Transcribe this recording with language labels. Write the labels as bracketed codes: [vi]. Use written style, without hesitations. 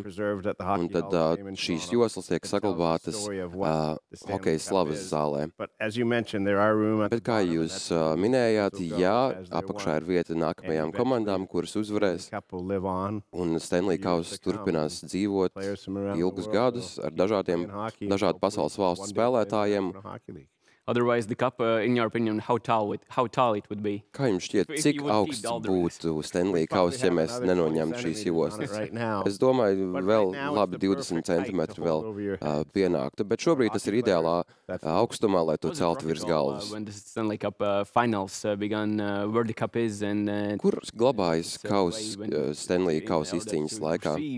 [lv] Un tad šīs joslas tiek saglabātas hokeja slavas zālē. Bet kā jūs minējāt, jā, apakšā ir vieta nākamajām komandām, kuras uzvarēs. Un Stenlija kausa turpinās dzīvot ilgus gadus ar dažādiem pasaules valstu spēlētājiem. [en] Otherwise the cup in your opinion how tall it would be? [lv] Kā jums šķiet, cik augsts būtu Stenlija kausa, ja mēs nenoņemtu šīs ivosnes? Es domāju, vēl labi 20 cm vēl pienāktu, bet šobrīd tas ir ideālā augstumā, lai to celtu virs galvas. Kur glabājas kausa Stenlija kausa izcīņas laikā?